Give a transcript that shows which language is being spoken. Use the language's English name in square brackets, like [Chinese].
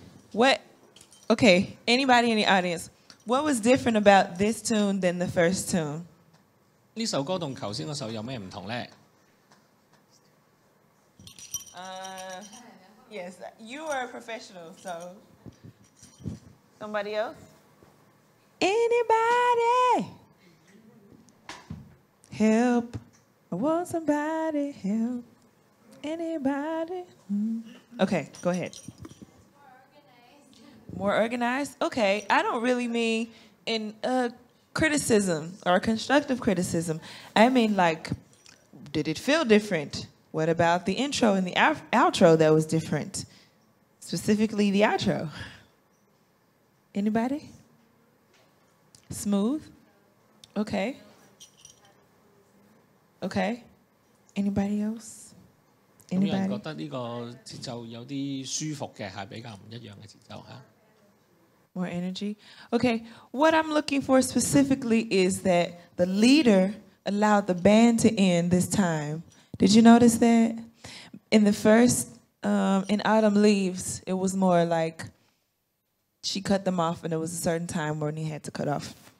[English] What, okay, anybody in the audience, what was different about this tune than the first tune? [Chinese] 这首歌和刚才那首有什么不同呢? [English] Yes, you are a professional, so. Somebody else? Anybody? Help. I want somebody help. Anybody? Okay, go ahead. More organized. Okay, I don't really mean in a criticism or a constructive criticism. I mean, like, did it feel different? What about the intro and the outro that was different? Specifically the outro. Anybody? Smooth? Okay. Okay. Anybody else? [Chinese] 有人覺得這個節奏有些舒服的,是比較不一樣的節奏。 [English] More energy. Okay, what I'm looking for specifically is that the leader allowed the band to end this time. Did you notice that? In the first, in Autumn Leaves, it was more like she cut them off and it was a certain time when he had to cut off.